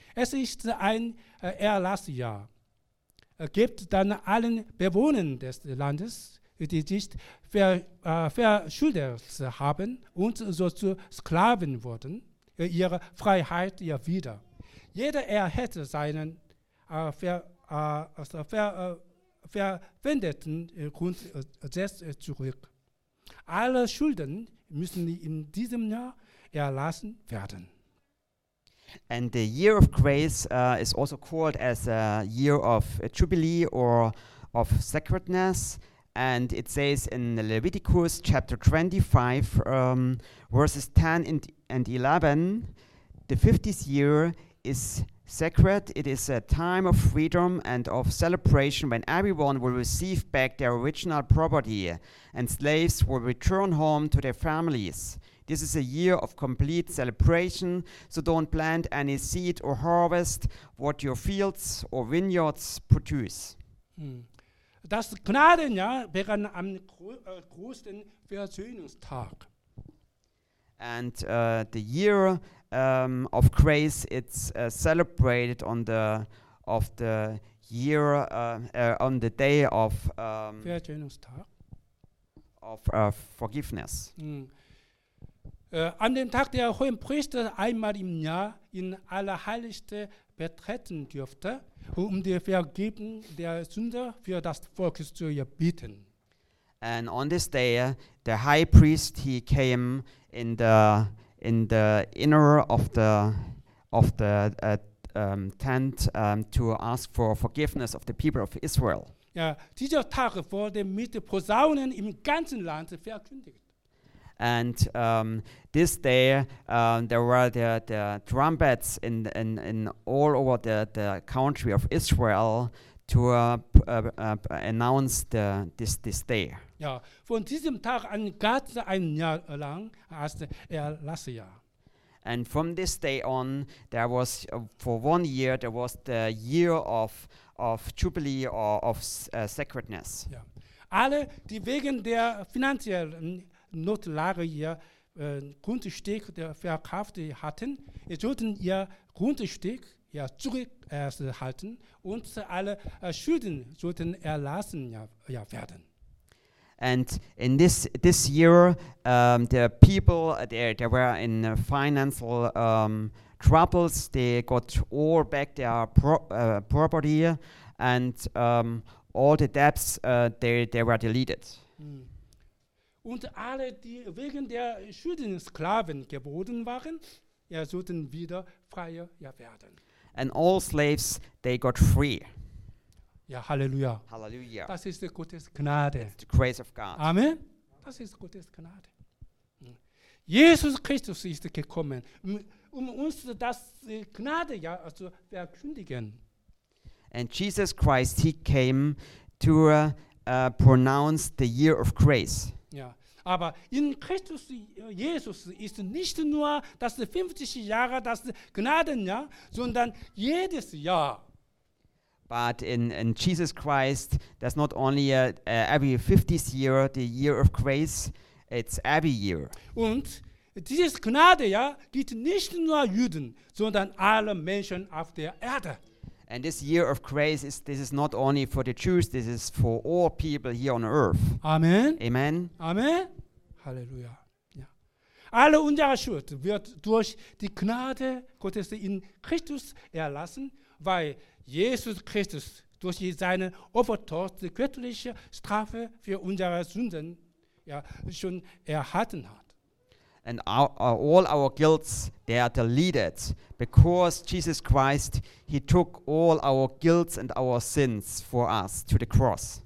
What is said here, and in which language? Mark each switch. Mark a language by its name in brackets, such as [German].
[German] Es ist ein Erlassjahr. Gebt dann allen Bewohnern des Landes, die sich verschuldet haben und so zu Sklaven wurden, ihre Freiheit ihr wieder. Jeder erhält seinen verwendeten Grundsatz zurück. Alle Schulden müssen in diesem Jahr erlassen werden. [English] And the year of grace is also called as a year of jubilee or of sacredness. And it says in Leviticus chapter 25, verses 10 and 11, the 50th year is sacred. It is a time of freedom and of celebration when everyone will receive back their original property and slaves will return home to their families. This is a year of complete celebration, so don't plant any seed or harvest what your fields or vineyards produce. [German] Das Gnadenjahr begann am größten Versöhnungstag. [English] And the year of grace, it's celebrated on the of the year on the day of forgiveness. [German] An dem Tag, der hohe Priester einmal im Jahr in Allerheiligste betreten dürfte, um die Vergebung der Sünde für das Volk zu erbitten. [English] And on this day, the high priest he came in the inner of the tent to ask for forgiveness of the people of Israel. [German] Ja, dieser Tag wurde mit Posaunen im ganzen Land verkündigt. [English] And this day there were the trumpets in all over the country of Israel to announce this day. [German] Ja, von diesem Tag an ganz ein Jahr lang erst erlassen ja. [English] And from this day on, there was for 1 year there was the year of jubilee or of sacredness. Ja. [German] Alle, die wegen der finanziellen Notlage ihr Grundstück verkauft hatten, sollten ihr Grundstück ja zurückhalten und alle Schulden sollten erlassen ja werden. [English] And in this year, the people they were in financial troubles. They got all back their property, and all the debts they were deleted. [German] Und alle, die wegen der Schulden Sklaven geworden waren, ja, sollten wieder freier ja, werden. [English] And all slaves they got free. Ja, Halleluja. Halleluja. [German] Das ist die Gottes Gnade. [English] It's the grace of God. [German] Amen. Das ist Gottes Gnade. Jesus Christus ist gekommen, um uns das Gnade ja zu verkündigen. [English] And Jesus Christ, he came to pronounce the year of grace. [German] Ja, aber in Christus Jesus ist nicht nur das 50 Jahre das Gnadenjahr, sondern jedes Jahr. [English] But in Jesus Christ, there's not only every 50th year, the year of grace, it's every year. [German] Und dieses Gnade, ja, gilt nicht nur Juden, sondern alle Menschen auf der Erde. [English] And this year of grace, this is not only for the Jews, this is for all people here on earth. Amen. Amen. Amen. Halleluja. Ja. [German] Alle unsere Schuld wird durch die Gnade Gottes in Christus erlassen, weil Jesus Christus durch seine Opfertod die göttliche Strafe für unsere Sünden ja, schon erhalten hat. [English] And all our guilts, they are deleted, because Jesus Christ, he took all our guilts and our sins for us to the cross.